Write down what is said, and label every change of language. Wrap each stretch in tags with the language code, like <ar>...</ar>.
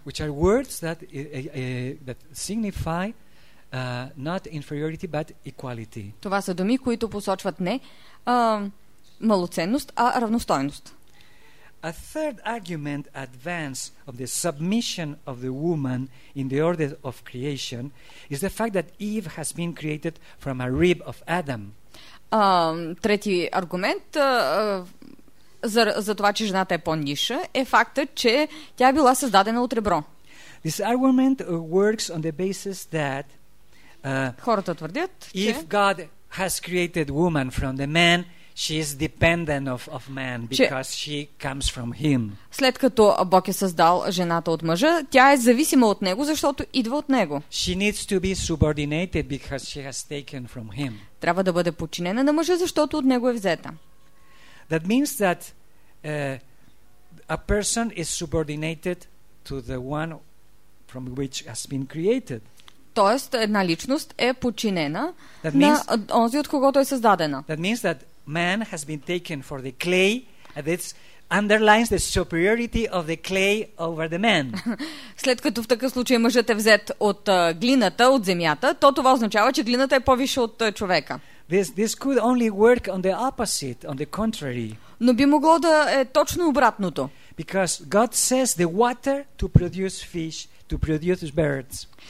<en>Which are words that that signify not inferiority but equality.</en> <bg>Това са думи, които посочват не малоценност, а равностойност.</bg> <en>A third argument advance of the submission of the woman in the order of creation is the fact that Eve has been created from a rib of Adam.</en> <bg>Трети аргумент за това, че жената е по-ниша, е фактът, че тя била създадена от ребро.</bg> <en>This argument works on the basis that</en> <bg>хората твърдят, че</bg> <en>if God has created woman from the man, she is dependent of man because she comes from him.</en> <bg>След като Бог е създал жената от мъжа, тя е зависима от него, защото идва от него.</bg> <en>She needs to be subordinated because she has taken from him.</en> <bg>Трябва да бъде подчинена на мъжа, защото от него е взета.</bg> <en>That means that a person is subordinated to the one from which has been created.</en> <bg>Тоест, една личност е подчинена на онзи, от когото е създадена.</bg> <en>That means that man has been taken for the clay, and it underlines the superiority of the clay over the man.</en> <bg>След като в такъв случай мъжът е взет от глината, от земята, то това означава, че глината е повише от човека.</bg> <en>This could only work on the opposite, on the contrary.</en> <bg>Но би могло да е точно обратното.</bg> <en>Because God says the water to produce fish, to produce birds.</en>